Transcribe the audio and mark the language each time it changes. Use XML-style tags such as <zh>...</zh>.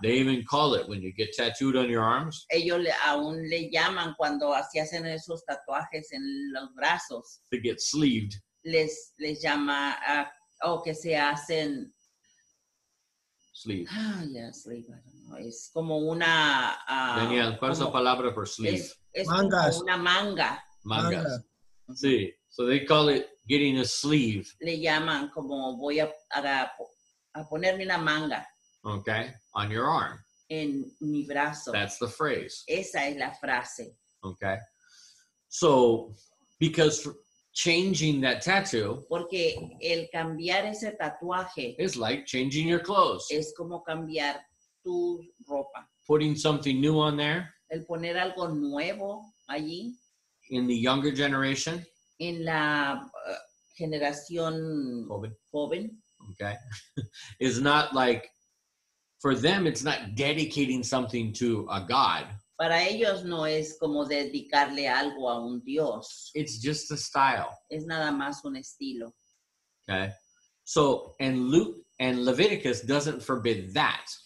<en>They even call it when you get tattooed on your arms.</en> <es>Ellos aún le llaman cuando así hacen esos tatuajes en los brazos.</es> <en>To get sleeved.</en> <es>Les llama que se hacen</es> <en>sleeve. Ah, yeah, sleeve. I don't know.</en> <es>es como una... Daniel, ¿cuál es la palabra</es> <en>for sleeve?</en> <es>Es mangas. Como una manga. Mangas. Manga. Sí.</es> <en>So they call it getting a sleeve.</en> <es>Le llaman como voy a ponerme una manga.</es> <en>Okay. On your arm.</en> <es>En mi brazo.</es> <en>That's the phrase.</en> <es>Esa es la frase.</es> <en>Okay. So, because changing that tattoo.</en> <es>Porque el cambiar ese tatuaje.</es> <en>Is like changing your clothes.</en> <es>Es como cambiar tu ropa.</es> <en>Putting something new on there.</en> <es>El poner algo nuevo allí.</es> <en>In the younger generation.</en> <es>En la generación joven.</es> <en>Okay. It's not like, for them, it's not dedicating something to a god.</en> <es>Para ellos no es como dedicarle algo a un dios.</es> <en>It's just a style.</en> <es>Es nada más un estilo.</es> <en>Okay. So, and Luke and Leviticus doesn't forbid that.</en>